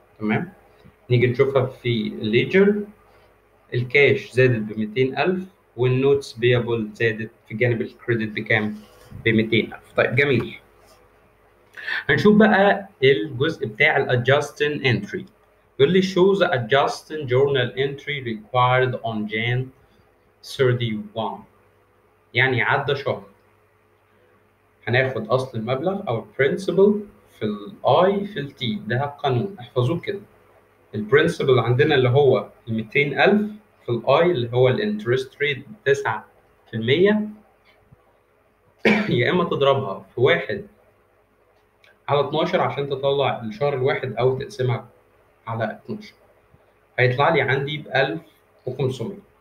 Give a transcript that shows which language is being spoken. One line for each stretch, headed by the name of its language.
Arabic: تمام؟ نيجي نشوفها في الليجر، الكاش زادت ب200,000 والنوتس بيبل زادت في جانب الكريدت بكام؟ ب200,000. طيب جميل، هنشوف بقى الجزء بتاع الـ adjusting entry. يقول لي
English: show the adjusting journal entry required on Jan 31.
Arabic: يعني عدى شهر هناخد اصل المبلغ او principal في الـ I في الـ T. ده القانون، احفظوه كده. الـ principal عندنا اللي هو 200,000، في الـ I اللي هو الـ interest rate 9%، يا اما تضربها في 1 على 12 عشان تطلع الشهر الواحد او تقسمها على 12، هيطلع لي عندي ب 1500.